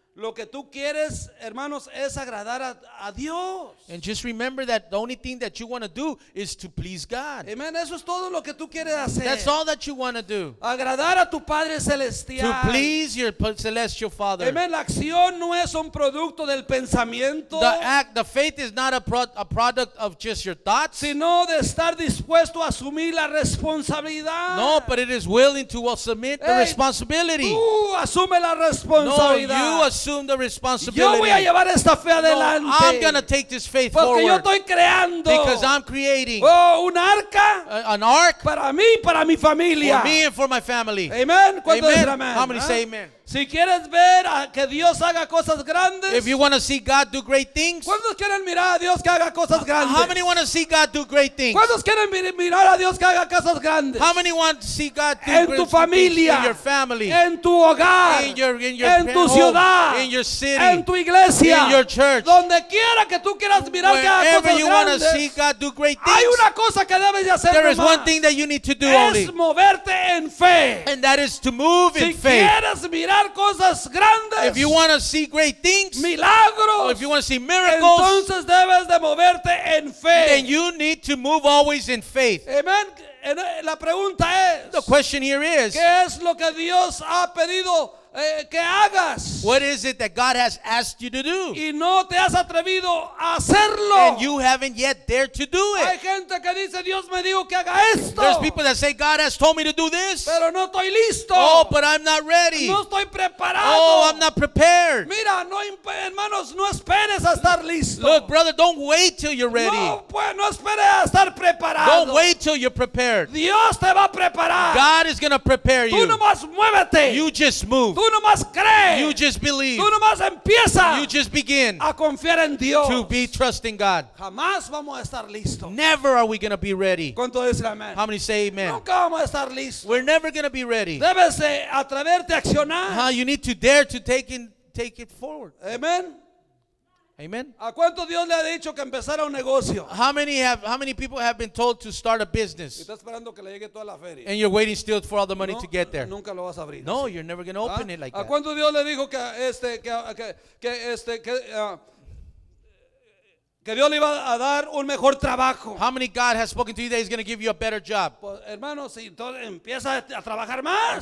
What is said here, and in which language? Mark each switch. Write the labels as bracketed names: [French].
[Spanish] Lo que tú quieres, hermanos, es agradar a Dios. [English] And just remember that the only thing that you want to do is to please God. Amen. [Spanish] Eso es todo lo que tú quieres hacer. [English] That's all that you want to do. [Spanish] Agradar a tu Padre Celestial. [English] To please your celestial Father. Amen. [Spanish] La acción no es un producto del pensamiento. [English] The act, the faith is not a product of just your thoughts. [Spanish] Sino de estar dispuesto a asumir la responsabilidad. [English] No, but it is willing to submit the responsibility. [Spanish] Tú asume la responsabilidad. [English] No, you assume the responsibility. [Spanish] Yo voy a llevar esta fe adelante. [English] No, I'm going to take this faith [Spanish] porque [English] forward. [Spanish] Yo estoy creando. [English] Because I'm creating. [Spanish] Oh, un arca. [English] An ark. [Spanish] Para mí, para mi familia. [English] For me and for my family. Amen. Amen. How many say amen? [Spanish] Si quieres ver a que Dios haga cosas grandes. [English] If you want to see God do great things. [Spanish] ¿Cuántos quieren mirar a Dios que haga cosas grandes? [English] How many want to see God do great things? [Spanish] ¿Cuántos quieren mirar a Dios que haga cosas grandes? [English] How many want to see God do [Spanish] en tu familia, [English] in your family, [Spanish] en tu hogar, [English] in your [Spanish] en tu ciudad, [English] home, in your city, [Spanish] en tu iglesia, [English] in your church, [Spanish] donde quiera que tú quieras mirar que haga cosas grandes. [English] You want to see God do great things. [Spanish] Hay una cosa que debes hacer. [English] Is one thing that you need to do [Spanish] es [English] only. [Spanish] Es moverte en fe. [English] And that is to move [Spanish] si [English] in faith. [Spanish] Si quieres mirar cosas grandes, [English] if you want to see great things, [Spanish] milagros, [English] if you want to see miracles, [Spanish] entonces debes de moverte en fe. [English] Then you need to move always in faith. [Spanish] Amen. La pregunta es, [English] the question here is, [Spanish] ¿qué es lo que Dios ha pedido que hagas? [English] What is it that God has asked you to do? [Spanish] Y no te has atrevido a hacerlo. [English] And you haven't yet dared to do it. [Spanish] Hay gente que dice, Dios me dijo que haga esto. [English] There's people that say, God has told me to do this. [Spanish] Pero no estoy listo. [English] Oh, but I'm not ready. [Spanish] No estoy preparado. [English] Oh, I'm not prepared. [Spanish] Mira, no, hermanos, no esperes a estar listo. [English] Look, brother, don't wait till you're ready. [Spanish] No, pues, no esperes a estar preparado. [English] Don't wait till you're prepared. [Spanish] Dios te va a preparar. [English] God is going to prepare [Spanish] tú [English] you. [Spanish] Tú nomás muévete. [English] You just move. [Spanish] Tú nomás crees. [English] You just believe. [Spanish] Tú nomás empieza. [English] You just begin. [Spanish] A confiar en Dios. [English] To be trusting God. [Spanish] Jamás vamos a estar listos. [English] Never are we going to be ready. [Spanish] ¿Cuánto dice amén? [English] How many say amen? [Spanish] Nunca vamos a estar listos. [English] We're never going to be ready. [Spanish] Debes de atreverte a accionar. [English] You need to dare to take it forward. Amen. Amen. [Spanish] ¿A cuánto Dios le ha dicho que empezara un negocio? [English] How many people have been told to start a business? [Spanish] Y está esperando que le llegue toda la feria. [English] And you're waiting still for all the money [Spanish] no, [English] to get there. [Spanish] Nunca lo vas a abrir. No, así. [English] You're never going to open it like [Spanish] ¿a [English] that. [Spanish] ¿A cuánto Dios le dijo que Dios le iba a dar un mejor trabajo? [English] How many God has spoken to you that he's going to give you a better job? [Spanish] Pues, hermano, si entonces empieza a trabajar más.